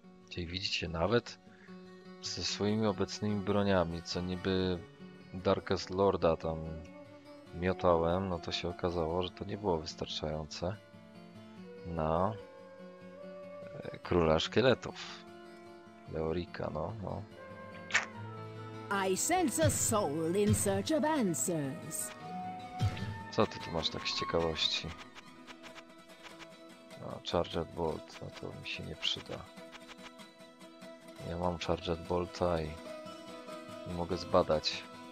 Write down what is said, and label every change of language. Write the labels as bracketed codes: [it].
[pl] Czyli widzicie, nawet ze swoimi obecnymi broniami, co niby Darkest Lorda tam miotałem, no to się okazało, że to nie było wystarczające na króla szkieletów. Leorika, no, no. [en] I sense a soul in search of answers. [pl] Co ty tu masz tak z ciekawości? No, Charged Bolt, no to mi się nie przyda. Ja mam Charged Bolta i nie mogę zbadać.